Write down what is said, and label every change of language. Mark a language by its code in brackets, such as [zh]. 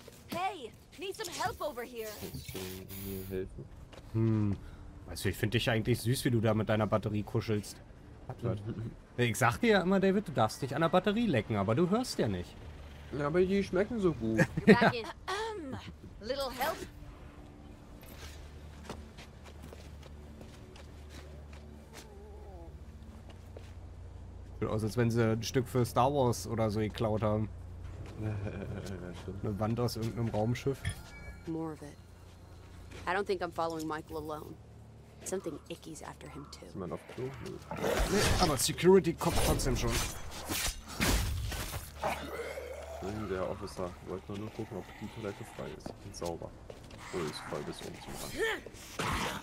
[en] Hey, need some help over here. [de] Kannst du mir helfen? Weißt du, ich finde dich eigentlich süß, wie du da mit deiner Batterie kuschelst. Ich sag dir ja immer, David, du darfst dich an der Batterie lecken, aber du hörst ja nicht. Ja, aber die schmecken so gut. [en] Little help. [de] Sieht aus, als wenn sie ein Stück für Star Wars oder so geklaut haben. Eine Wand aus irgendeinem Raumschiff. [en] More of it. I don't think I'm following Michael alone. Something icky's after him too. [de] Ist man auf Klo? Nee, aber Security kommt trotzdem schon. Der Officer wollte nur gucken, ob die Toilette frei ist. Sauber. Oder ist voll bis oben zum Rand.